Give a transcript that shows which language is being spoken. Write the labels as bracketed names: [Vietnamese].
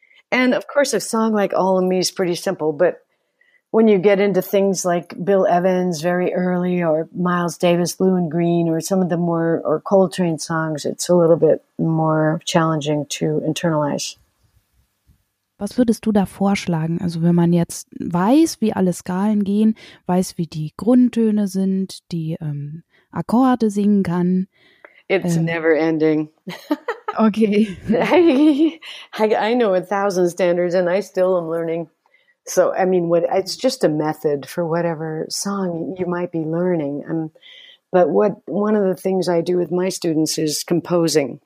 [English] And of course, a song like All of Me is pretty simple. But when you get into things like Bill Evans very early or Miles Davis, Blue and Green, or some of the more, or Coltrane songs, it's a little bit more challenging to internalize. [German] Was würdest du da vorschlagen? Also wenn man jetzt weiß, wie alle Skalen gehen, weiß, wie die Grundtöne sind, die Akkorde singen kann. [English] It's never ending. Okay. I know 1,000 standards and I still am learning. So, I mean, it's just a method for whatever song you might be learning. But one of the things I do with my students is composing.